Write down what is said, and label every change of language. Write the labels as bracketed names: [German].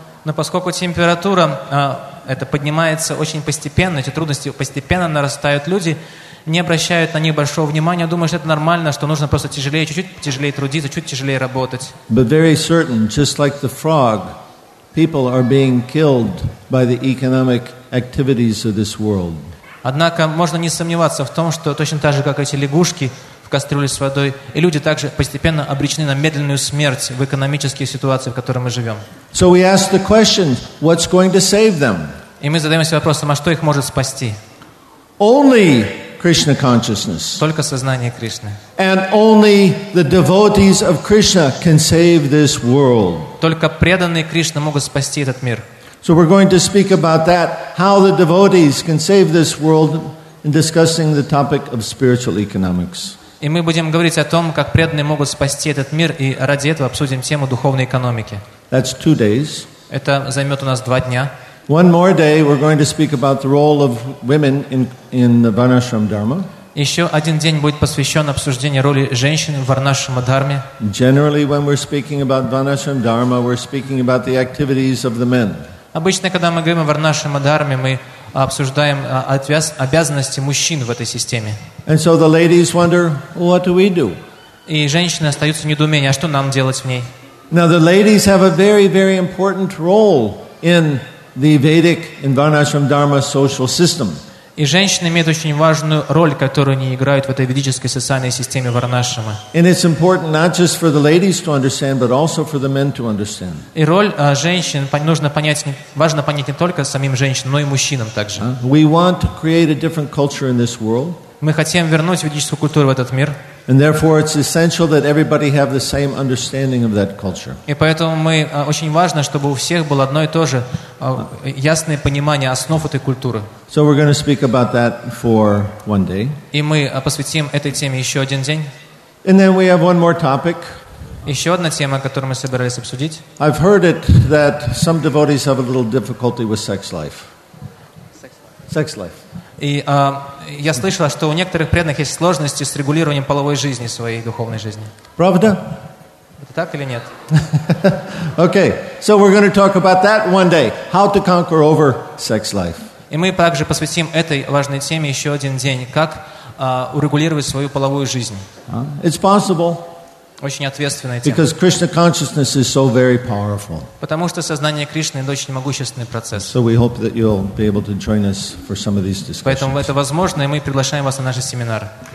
[Russian] Но поскольку температура это поднимается очень постепенно, эти трудности постепенно нарастают, люди не обращают на них большого внимания, думают, что это нормально, что нужно просто тяжелее, чуть-чуть тяжелее трудиться, чуть тяжелее работать. [English] But very certain, just like the frog, people are being killed by the economic activities of this world. [Russian] Однако можно не сомневаться в том, что точно так же, как эти лягушки в кастрюле с водой, и люди также постепенно обречены на медленную смерть в экономических ситуациях, в которых мы живем. [English] So we ask the question, what's going to save them? [Russian] И мы задаемся вопросом, а что их может спасти? [English] Only Krishna consciousness. [Russian] Только сознание Кришны. [English] And only the devotees of Krishna can save this world. [Russian] Только преданные Кришне могут спасти этот мир. [English] So we're going to speak about that, how the devotees can save this world, in discussing the topic of spiritual economics. [Russian] И мы будем говорить о том, как преданные могут спасти этот мир, и ради этого обсудим тему духовной экономики. [English] That's 2 days. [Russian] Это займет у нас 2 дня. [English] One more day, we're going to speak about the role of women in the Varnashram Dharma. [Russian] Еще один день будет посвящен обсуждению роли женщин в Варнашрама Дхарме. [English] Generally, when we're speaking about Varnashram Dharma, we're speaking about the activities of the men. [Russian] Обычно, когда мы говорим о Варнашрама Дхарме, мы обсуждаем обязанности мужчин в этой системе. [English] And so the ladies wonder, what do we do? [Russian] И женщины остаются в недоумении, а что нам делать в ней? [English] Now the ladies have a very, very important role in the Vedic and Varnashram Dharma social system. [Russian] И женщины имеют очень важную роль, которую они играют в этой ведической социальной системе Варнашрама. [English] And it's important not just for the ladies to understand, but also for the men to understand. [Russian] И роль женщин нужно понять, важно понять не только самим женщинам, но и мужчинам также. [English] We want to create a different culture in this world. [Russian] Мы хотим вернуть ведическую культуру в этот мир. [English] And therefore, it's essential that everybody have the same understanding of that culture. [Russian] И поэтому мы очень важно, чтобы у всех было одно и то же ясное понимание основ этой культуры. [English] So we're going to speak about that for one day. [Russian] И мы посвятим этой теме еще один день. [English] And then we have one more topic. [Russian] Еще одна тема, которую мы собирались обсудить. [English] I've heard it that some devotees have a little difficulty with sex life. [Russian] И я слышала, что у некоторых преданных есть сложности с регулированием половой жизни, своей духовной жизни. Правда? Это так или нет? [English] Okay, so we're going to talk about that one day. How to conquer over sex life. [Russian] И мы также посвятим этой важной теме еще один день. Как урегулировать свою половую жизнь. [English] It's possible. [Russian] Очень ответственная тема. [English] Because Krishna consciousness is so very powerful. [Russian] Потому что сознание Кришны — это очень могущественный процесс. [English] So we hope that you'll be able to join us for some of these discussions. [Russian] Поэтому это возможно, и мы приглашаем вас на наши семинары.